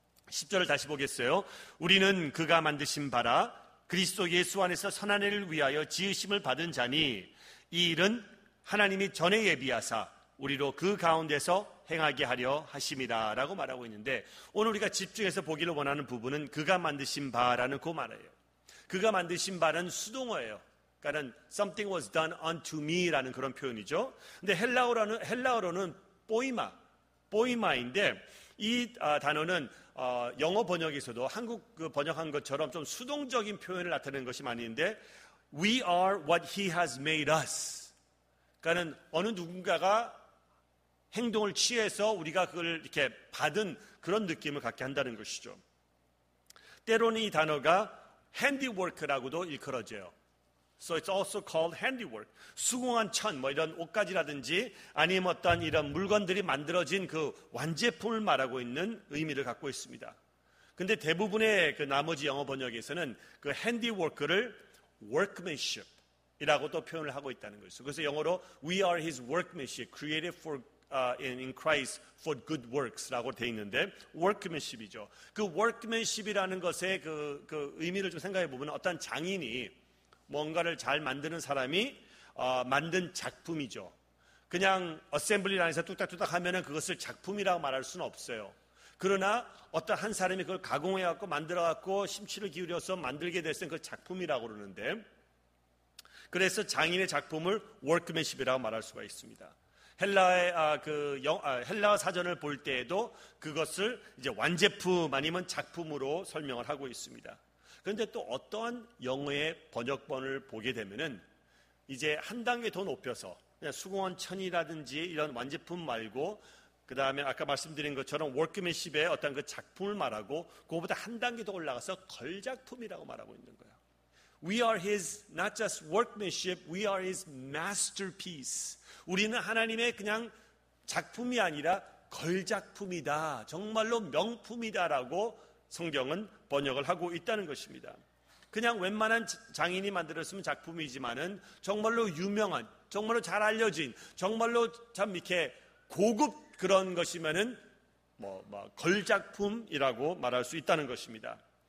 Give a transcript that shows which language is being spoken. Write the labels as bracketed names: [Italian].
[Korean] 10절을 다시 보겠어요. 우리는 그가 만드신 바라 그리스도 예수 안에서 선한 일을 위하여 지으심을 받은 자니 이 일은 하나님이 전에 예비하사 우리로 그 가운데서 행하게 하려 하심이다 라고 말하고 있는데 오늘 우리가 집중해서 보기를 원하는 부분은 그가 만드신 바라는 그 말이에요. 그가 만드신 바는 수동어예요. 그러니까 [English] something was done unto me [Korean] 라는 그런 표현이죠. 근데 헬라어로는 보이마인데 이 단어는 영어 번역에서도 한국 그 번역한 것처럼 좀 수동적인 표현을 나타내는 것이 많이 있는데 [English] we are what he has made us. [Korean] 그러니까는 어느 누군가가 행동을 취해서 우리가 그걸 이렇게 받은 그런 느낌을 갖게 한다는 것이죠. 때로는 이 단어가 handiwork라고도 일컬어져요. [English] So it's also called handiwork. [Korean] 수공한 천, 뭐 이런 옷가지라든지 아니면 어떤 이런 물건들이 만들어진 그 완제품을 말하고 있는 의미를 갖고 있습니다. 근데 대부분의 그 나머지 영어 번역에서는 그 handiwork를 workmanship 이라고도 표현을 하고 있다는 거죠. 그래서 영어로 [English] we are his workmanship, created for in Christ for good works [Korean] 라고 되어 있는데 workmanship이죠. 그 workmanship이라는 것의 그 의미를 좀 생각해 보면 어떤 장인이 뭔가를 잘 만드는 사람이 만든 작품이죠. 그냥 어셈블리 안에서 뚝딱뚝딱 하면은 그것을 작품이라고 말할 수는 없어요. 그러나 어떤 한 사람이 그걸 가공해갖고 만들어갖고 심취를 기울여서 만들게 됐을 때 그 작품이라고 그러는데 그래서 장인의 작품을 워크맨십이라고 말할 수가 있습니다. 헬라의 헬라 사전을 볼 때에도 그것을 이제 완제품 아니면 작품으로 설명을 하고 있습니다. 그런데 또 어떠한 영어의 번역본을 보게 되면은 이제 한 단계 더 높여서 그냥 수공한 천이라든지 이런 완제품 말고 그 다음에 아까 말씀드린 것처럼 워크맨십의 어떤 그 작품을 말하고 그거보다 한 단계 더 올라가서 걸작품이라고 말하고 있는 거예요. [English] We are his not just workmanship, we are his masterpiece. [Korean] 우리는 하나님의 그냥 작품이 아니라 걸작품이다. 정말로 명품이다라고 성경은 번역을 하고 있다는 것입니다. 그냥 웬만한 장인이 만들었으면 작품이지만은 정말로 유명한, 정말로 잘 알려진, 정말로 참 이렇게 고급 그런 것이면은 걸작품이라고 말할 수 있다는 것입니다.